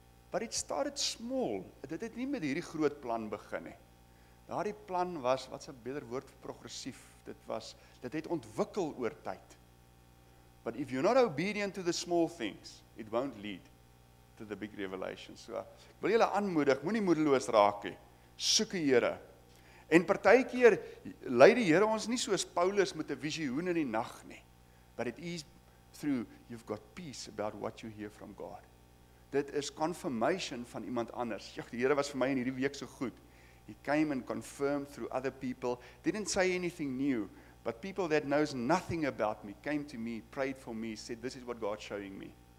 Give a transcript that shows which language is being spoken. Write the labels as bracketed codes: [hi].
[en] But it started small. [af] Dit het nie met hierdie groot plan begin nie. Daardie plan was, wat 'n beter woord vir progressief, dit het ontwikkel oor tyd. [en] But if you're not obedient to the small things, it won't lead to the big revelation. [af] So, ek wil julle aanmoedig, moenie moedeloos raak nie. Soek die Here. En partykeer lei die Here ons nie soos Paulus met 'n visioen in die nag nie. [en] But it is through you've got peace about what you hear from God. [af] Dit is confirmation van iemand anders. Ja, die Here was vir my in hierdie week so goed. [en] He came and confirmed through other people. Didn't say anything new, But people that knows nothing about me came to me, prayed for me, said, this is what God's showing me.